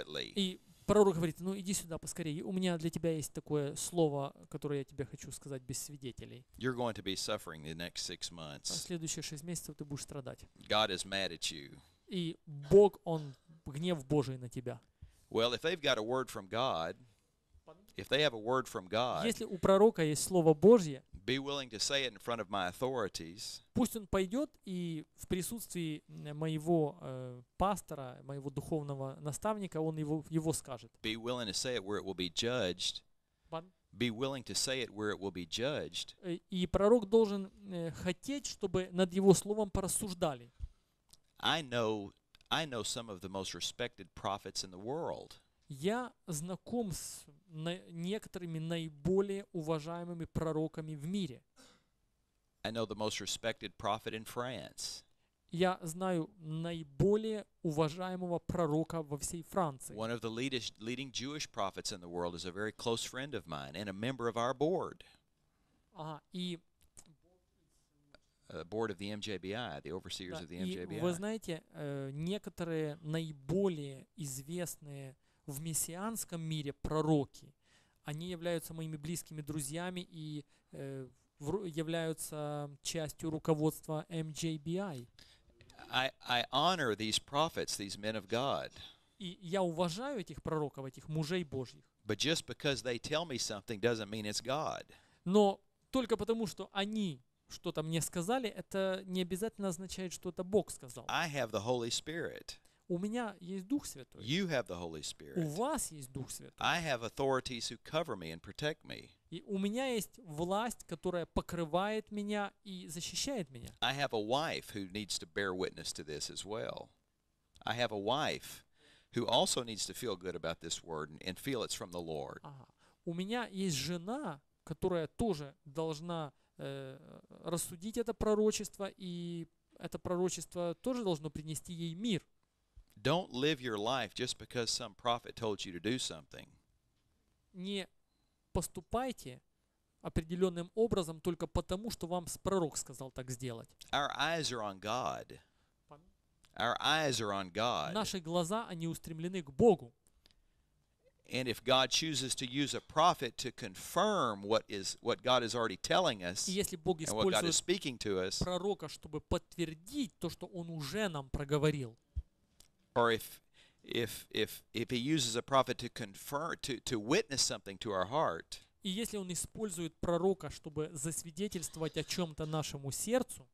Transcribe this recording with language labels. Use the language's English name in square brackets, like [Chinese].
[Russian] И пророк говорит, ну иди сюда поскорее, у меня для тебя есть такое слово, которое я тебе хочу сказать без свидетелей. [English] You're going to be suffering the next six months. [Russian] В следующие 6 месяцев ты будешь страдать. [English] God is mad at you. [Russian] И Бог, он гнев Божий на тебя. [English] Well, if they've got a word from God, if they have a word from God, [Russian] если у пророка есть слово Божье, [English] be willing to say it in front of my authorities. [Russian] Пусть он пойдет и в присутствии моего пастора, моего духовного наставника, он его скажет. [English] Be willing to say it where it will be judged. Pardon? Be willing to say it where it will be judged. [Russian] И пророк должен хотеть, чтобы над его словом порассуждали. [English] I know some of the most respected prophets in the world. [Russian] Я знаком с некоторыми наиболее уважаемыми пророками в мире. [English] I know the most respected prophet in France. [Russian] Я знаю наиболее уважаемого пророка во всей Франции. [English] One of the leading Jewish prophets in the world is a very close friend of mine and a member of our board. Board of the MJBI, the overseers of the MJBI. [Russian] И вы знаете, некоторые наиболее известные в мессианском мире пророки, они являются моими близкими друзьями и являются частью руководства MJBI. [English] I honor these prophets, these men of God. [Russian] И я уважаю этих пророков, этих мужей Божьих. [English] But just because they tell me something doesn't mean it's God. [Russian] Но только потому, что они что-то мне сказали, это не обязательно означает, что это Бог сказал. [English] I have the Holy Spirit. [Russian] У меня есть Дух Святой. [English] You have the Holy Spirit. [Russian] У вас есть Дух Святой. [English] I have authorities who cover me and protect me. [Russian] И у меня есть власть, которая покрывает меня и защищает меня. [English] I have a wife who needs to bear witness to this as well. I have a wife who also needs to feel good about this word and feel it's from the Lord. [Russian] У меня есть жена, которая тоже должна рассудить это пророчество, и это пророчество тоже должно принести ей мир. [English] Don't live your life just because some prophet told you to do something. [Russian] Не поступайте определенным образом только потому, что вам пророк сказал так сделать. [English] Our eyes are on God. Our eyes are on God. [Russian] Наши глаза, они устремлены к Богу. [English] And if God chooses to use a prophet to confirm what God is already telling us, and what God is speaking to us, [Russian] пророка, чтобы подтвердить то, что он уже нам проговорил, [English] or if he uses a prophet to confirm to witness something to our heart, [Russian] и если он использует пророка, чтобы засвидетельствовать о чем-то нашему сердцу,